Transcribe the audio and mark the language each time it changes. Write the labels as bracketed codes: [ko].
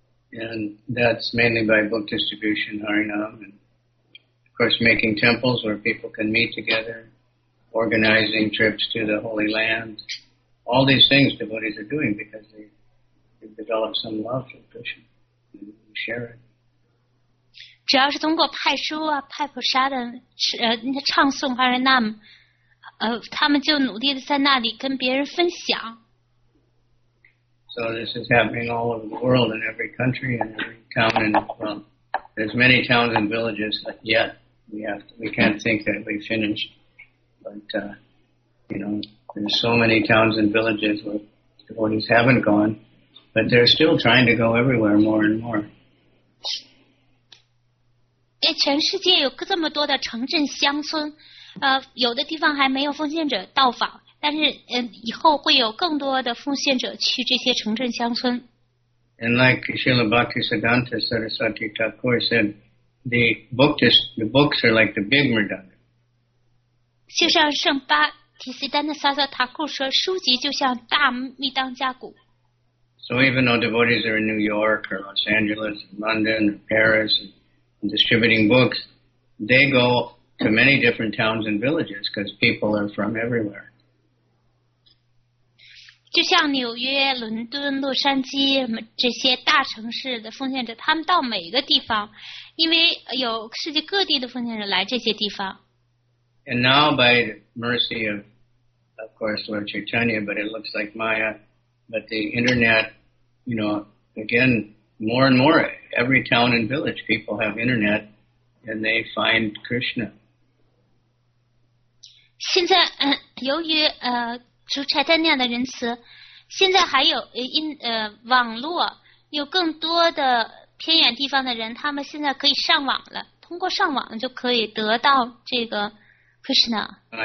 [en] And that's mainly by book distribution, Harinam, and of course making temples where people can meet together, organizing trips to the holy land. All these things devotees are doing because they've developed some love for Krishna and share it. [zh] 主要是通过派书啊、派普沙的唱诵哈瑞纳姆，他们就努力的在那里跟别人分享。 [en] So this is happening all over the world in every country and every town and there's many towns and villages yet we can't think that we finished, but you know there's so many towns and villages where devotees haven't gone, but they're still trying to go everywhere more and more. [zh] 全世界有这么多的城镇乡村，有的地方还没有奉献者到访，但是以后会有更多的奉献者去这些城镇乡村。 [en] And like Srila Bhaktisiddhanta Sarasvati Thakur said, the books are like the big Mridanga. [zh] 就像圣巴提西丹的萨萨塔库说，书籍就像大密当加鼓。 [en] So even though devotees are in New York or Los Angeles, or London or Paris, and distributing books, they go to many different towns and villages because people are from everywhere. [zh] 就像纽约、伦敦、洛杉矶这些大城市的奉献者，他们到每一个地方，因为有世界各地的奉献者来这些地方。 [en] And now, by the mercy of course, Lord Chaitanya, but it looks like Maya. But the internet, you know, again, more and more, every town and village, people have internet, and they find Krishna. [zh] 现在，由于主差在那样的仁慈，现在还有网络，有更多的偏远地方的人，他们现在可以上网了，通过上网就可以得到这个 Krishna.